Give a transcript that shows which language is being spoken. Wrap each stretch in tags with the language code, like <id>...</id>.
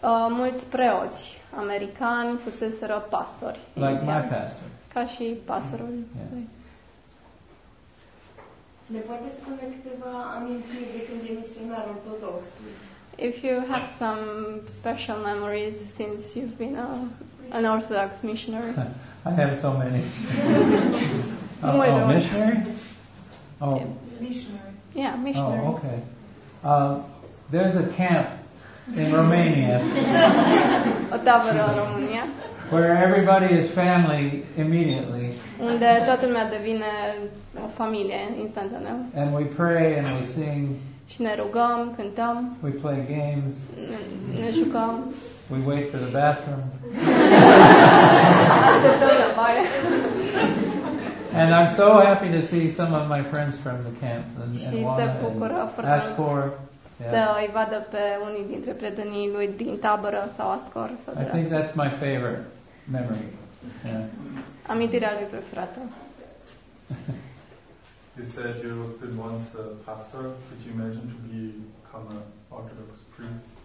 <ro>Mulți preoți americani fuseseră pastori inițial.</ro> <en>Like my pastor.</en> <ro>Ca și pastorul. Ne poate spune câteva amintiri de când e misionar ortodox?</ro> <en>If you have some special memories since you've been an Orthodox missionary. I have so many. Missionary. Oh, okay. There's a camp in Romania.</en> <ro>O tabără în România.</ro> <en>Where everybody is family immediately.</en> <ro>Unde toată lumea devine o familie instantaneu.</ro> <en>And we pray and we sing.</en> <ro>Și ne rugăm, cântăm.</ro> <en>We play games.</en> <ro>Ne jucăm.</ro> <en>We wait for the bathroom. And I'm so happy to see some of my friends from the camp and Ascor.</en> <ro>Să-i vadă pe unii dintre prietenii lui din tabără sau Ascor.</ro> <en>I think that's my favorite memory. Yeah.</en> <ro>Amintirea lui preferată.</ro> <en>You said you've been once a pastor. Could you imagine to become an Orthodox priest?</en>